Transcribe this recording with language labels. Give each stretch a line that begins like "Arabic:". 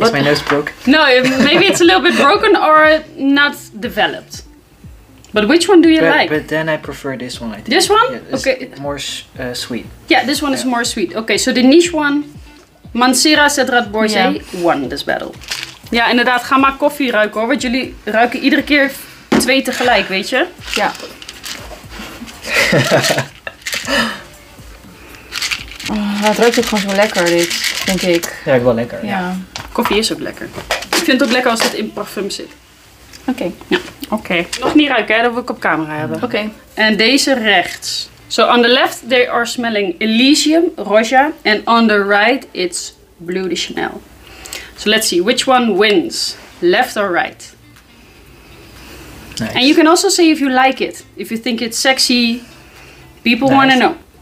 English: is my nose broke? No, maybe it's a little bit broken or not developed. But which one do you like? But then I prefer this one, I think. This one? Yeah, okay. More sweet. Yeah, this one is more sweet. Okay, so the niche one, Mancera Cedrat Boisé, won this battle.
Dutch: Ja, inderdaad, ga maar koffie ruiken hoor, want jullie ruiken iedere keer twee tegelijk, weet je? Ja. Het ruikt ook gewoon zo lekker, dit, denk ik. Ja, ik wel lekker. Ja. Koffie is ook lekker. Ik vind het ook lekker als het in parfum zit. Oké. Okay. Ja, oké. Okay. Nog niet ruiken, hè? Dat wil ik op camera hebben. Oké. Okay. En deze rechts.
English: So on the left, they are smelling Elysium, Roja. And on the right, it's Bleu de Chanel. So let's see, which one wins? Left or right? Nice. And you can also say if you like it. If you think it's sexy, people want to know.